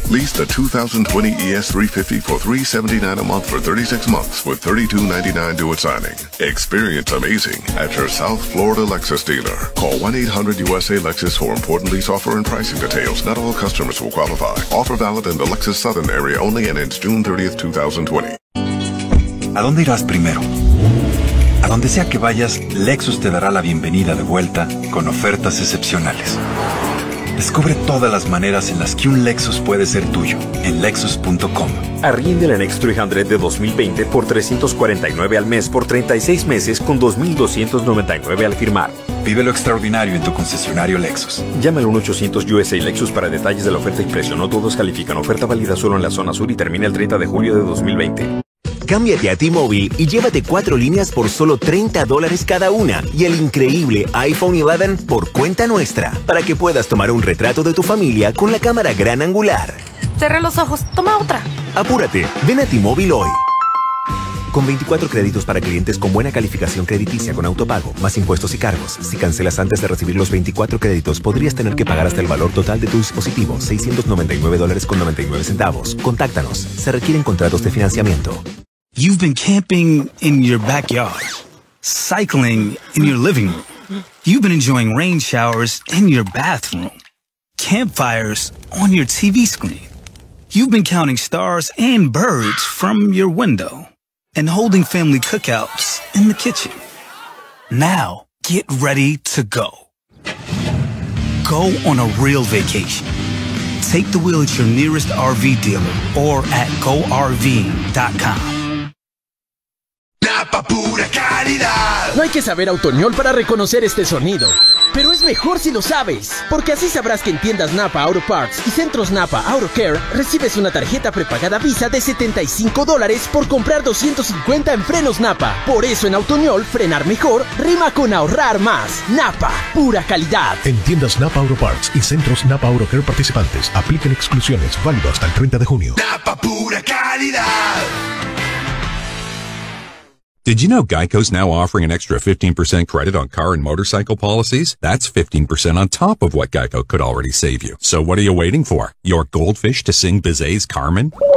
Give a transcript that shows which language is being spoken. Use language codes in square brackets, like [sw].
[en] Lease the 2020 ES350 for $379 a month for 36 months with $3,299 due at signing. Experience amazing at your South Florida Lexus dealer. Call 1-800-USA-LEXUS for important lease offer and pricing details. Not all customers will qualify. Offer valid in the Lexus Southern area only and ends June 30th, 2020. [es] ¿A dónde irás primero? A donde sea que vayas, Lexus te dará la bienvenida de vuelta con ofertas excepcionales. Descubre todas las maneras en las que un Lexus puede ser tuyo en Lexus.com. Arriende la Next 300 de 2020 por $349 al mes por 36 meses con $2,299 al firmar. Vive lo extraordinario en tu concesionario Lexus. Llama al 1-800-USA-LEXUS para detalles de la oferta y precio. No todos califican. Oferta válida solo en la zona sur y termina el 30 de julio de 2020. Cámbiate a T-Mobile y llévate cuatro líneas por solo $30 cada una y el increíble iPhone 11 por cuenta nuestra para que puedas tomar un retrato de tu familia con la cámara gran angular. Cerré los ojos, toma otra. Apúrate, ven a T-Mobile hoy. Con 24 créditos para clientes con buena calificación crediticia con autopago, más impuestos y cargos. Si cancelas antes de recibir los 24 créditos, podrías tener que pagar hasta el valor total de tu dispositivo, $699.99. Contáctanos. Se requieren contratos de financiamiento. [en] You've been camping in your backyard, cycling in your living room. You've been enjoying rain showers in your bathroom, campfires on your TV screen. You've been counting stars and birds from your window. And holding family cookouts in the kitchen. Now, get ready to go. Go on a real vacation. Take the wheel at your nearest RV dealer or at GoRV.com. [es] Napa pura caridad. No hay que saber autoñol para reconocer este sonido. Pero es mejor si lo sabes, porque así sabrás que en tiendas Napa Auto Parts y centros Napa Auto Care recibes una tarjeta prepagada Visa de $75 por comprar $250 en frenos Napa. Por eso en Autoñol, frenar mejor rima con ahorrar más. Napa, pura calidad. En tiendas Napa Auto Parts y centros Napa Auto Care participantes, apliquen exclusiones, válido hasta el 30 de junio. Napa, pura calidad. [en] Did you know Geico's now offering an extra 15% credit on car and motorcycle policies? That's 15% on top of what Geico could already save you. So what are you waiting for? Your goldfish to sing Bizet's Carmen?